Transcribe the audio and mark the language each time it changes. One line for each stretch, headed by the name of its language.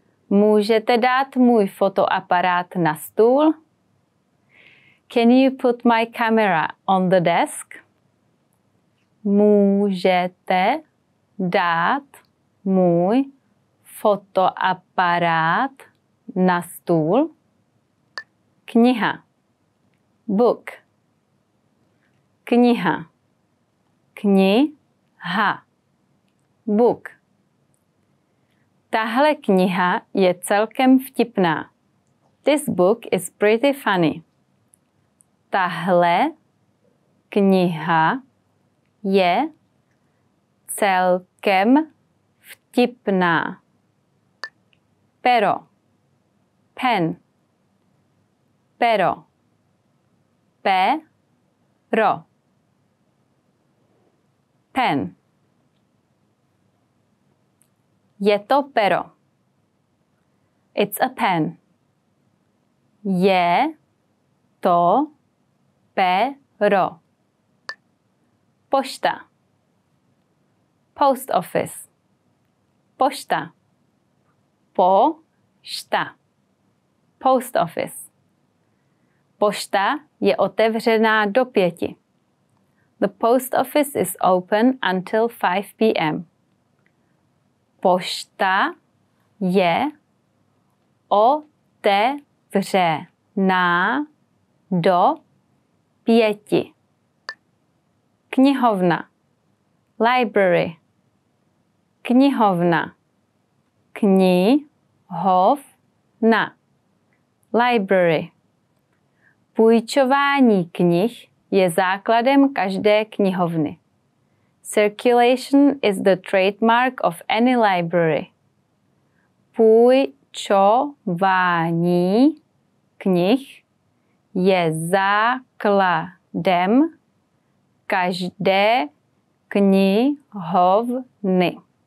Czech: Můžete dát můj fotoaparát na stůl?
English: Can you put my camera on the desk?
Czech: Můžete dát můj fotoaparát na stůl. Kniha.
English: Book.
Czech: Kniha. Kniha.
English: Book.
Czech: Tahle kniha je celkem vtipná.
English: This book is pretty funny.
Czech: Tahle kniha je celkem vtipná. Pero.
English: Pen.
Czech: Pero. Pero.
English: Pen.
Czech: Je to pero.
English: It's a pen.
Czech: Je to pero. Pošta.
English: Post office.
Czech: Pošta. Pošta.
English: Post office.
Czech: Pošta je otevřená do pěti.
English: The post office is open until 5 p.m.
Czech: Pošta je otevřená do pěti. Knihovna.
English: Library.
Czech: Knihovna. Knihovna.
English: Library.
Czech: Půjčování knih je základem každé knihovny.
English: Circulation is the trademark of any library.
Czech: Půjčování knih je základem každé knihovny.